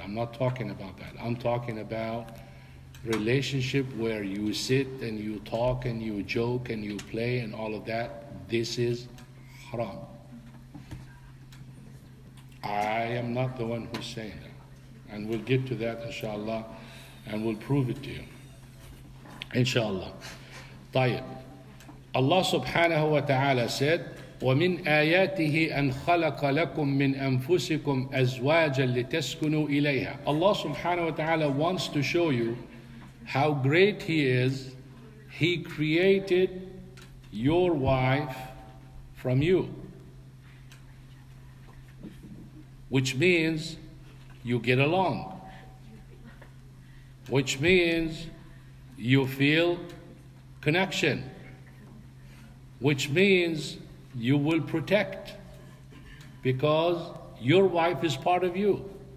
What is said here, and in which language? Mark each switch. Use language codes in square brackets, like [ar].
[en] I'm not talking about that. I'm talking about relationship where you sit and you talk and you joke and you play and all of that. This is haram. I am not the one who's saying that. And we'll get to that, inshallah, and we'll prove it to you. Inshallah. طيب. Allah subhanahu wa ta'ala said, [ar] وَمِنْ آيَاتِهِ أَنْ خَلَقَ لَكُمْ مِنْ أَنفُسِكُمْ أَزْوَاجًا لِتَسْكُنُوا إِلَيْهَا. [en] Allah subhanahu wa ta'ala wants to show you how great He is. He created your wife from you. Which means you get along. Which means you feel connection, which means you will protect because your wife is part of you.